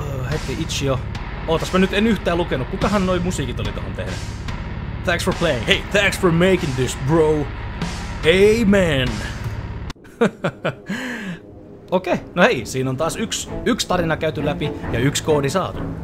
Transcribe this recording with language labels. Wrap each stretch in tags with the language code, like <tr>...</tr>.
<fi>Heti itch.io. Ootas mä nyt en yhtään lukenut, kukahan noi musiikit oli tohon tehdä?</fi> <en>Thanks for playing. Hey, thanks for making this, bro. Amen.</en> <fi>Okei, no hei, siinä on taas yksi tarina käyty läpi ja yksi koodi saatu.</fi>